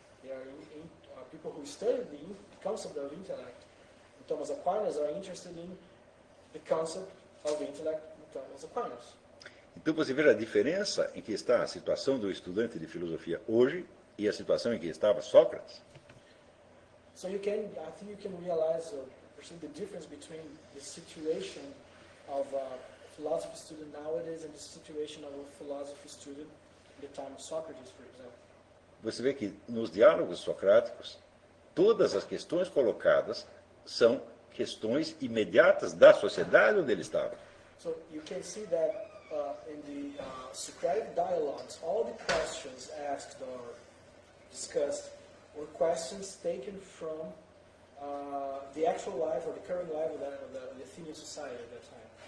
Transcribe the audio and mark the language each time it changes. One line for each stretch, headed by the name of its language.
English: There are people who study the concept of intellect. Thomas Aquinas are interested in the concept of intellect. Thomas Aquinas.
Portuguese: Então você vê a diferença em que está a situação do estudante de filosofia hoje e a situação em que estava Sócrates.
English: So you can, I think you can realize or see the difference between the situation of a philosophy student nowadays and the situation of a philosophy student in the time of Socrates, for example.
Portuguese: Você vê que nos diálogos socráticos, todas as questões colocadas são questões imediatas da sociedade onde ele estava.
English: So you can see that in the Socratic dialogues, all the questions asked or discussed were questions taken from the actual life or the current life of the Athenian society at that time.